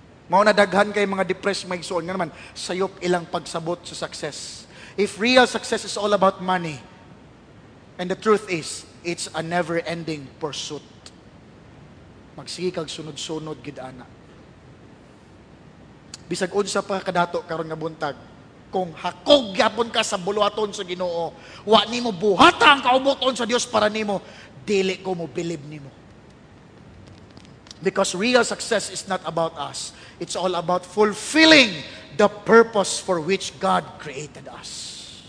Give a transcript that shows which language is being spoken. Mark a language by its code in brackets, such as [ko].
[ceb] Mao na daghan kay mga depressed maigsoon nga naman sayop ilang pagsabot sa success. [en] If real success is all about money, and the truth is it's a never ending pursuit. [ceb] Magsigi kag sunod-sunod gid ana. bisag unsa pa kadato karon nga buntag, kung hakog gyapon ka sa buluhaton sa Ginoo, wa nimo buhata ang kaubuton sa Dios para nimo, dili ko mo believe nimo. [en] Because real success is not about us. It's all about fulfilling the purpose for which God created us.